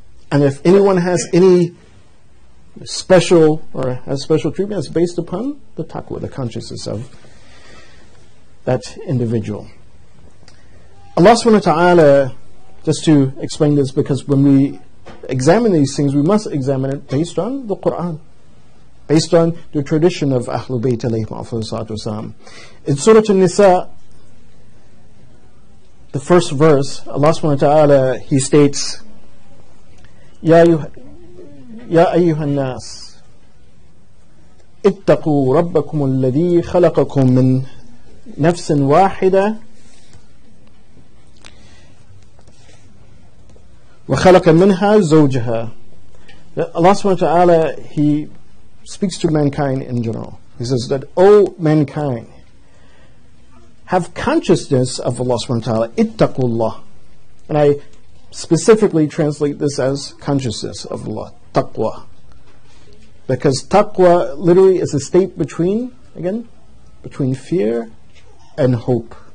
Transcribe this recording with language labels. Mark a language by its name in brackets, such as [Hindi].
[English] And if anyone has any special or has special treatment, it's based upon the taqwa, the consciousness of that individual. Allah subhanahu wa ta'ala, just to explain this, because when we examine these things, we must examine it based on the Qur'an, based on the tradition of Ahlul Bayt alayhi wa sallam. In Surah An-Nisa, the first verse, Allah subhanahu wa ta'ala, He states, [Arabic] يَا أَيُّهَا النَّاسِ اتَّقُوا رَبَّكُمُ الَّذِي خَلَقَكُم مِّن نَفْسٍ وَاحِدَةٍ وَخَلَقَ مِنْهَا زَوْجَهَا. [English] Allah subhanahu wa ta'ala, He speaks to mankind in general. He says that, O mankind, have consciousness of Allah subhanahu wa ta'ala, [Arabic] اتَّقُوا اللَّهِ. [English] And I specifically translate this as consciousness of Allah, taqwa. Because taqwa literally is a state between, again, between fear and hope.